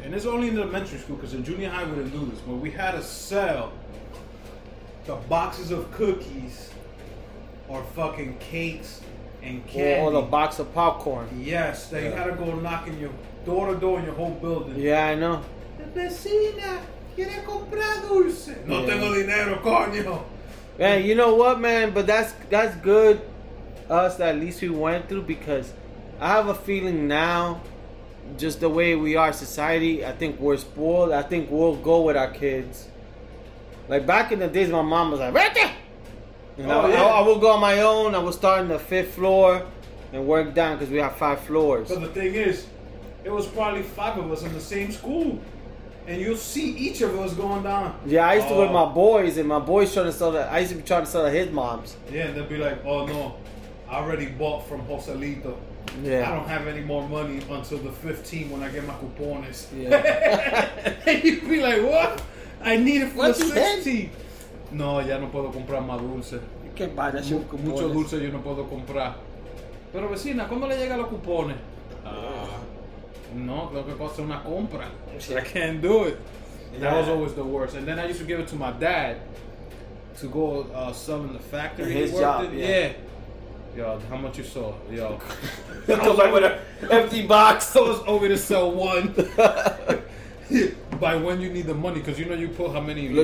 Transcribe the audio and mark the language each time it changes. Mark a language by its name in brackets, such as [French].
[English] And it's only in elementary school, because in junior high, we didn't do this. But we had to sell the boxes of cookies. Or fucking cakes and candy. Or the box of popcorn. Yes, that you gotta go knocking your door to door in your whole building. Yeah, I know. [Spanish] La vecina quiere comprar dulce. No tengo dinero, coño. [English] Man, you know what, man? But that's good. Us, that at least we went through, because I have a feeling now, just the way we are, society, I think we're spoiled. I think we'll go with our kids. Like back in the days, my mom was like, right there! I will go on my own. I will start in the fifth floor and work down, because we have five floors. But the thing is, it was probably five of us in the same school. And you'll see each of us going down. Yeah, I used to go with my boys, and my boys trying to sell that. I used to be trying to sell his moms. Yeah, and they'd be like, oh no, I already bought from Joselito. Yeah. I don't have any more money until the 15th when I get my cupones. Yeah. And you'd be like, what? I need it for the 16th. [Spanish] No, ya no puedo comprar más dulce. ¿Qué vaya? Mucho dulce yo no puedo comprar. Pero vecina, ¿cuándo le llegan los cupones? No, creo que costó una compra. [English] I can't do it. Yeah. That was always the worst. And then I used to give it to my dad to go sell in the factory. His job, yeah. Yo, how much you saw? Yo. I was like with an empty box. I was over to sell one. By when you need the money, because you know you put how many you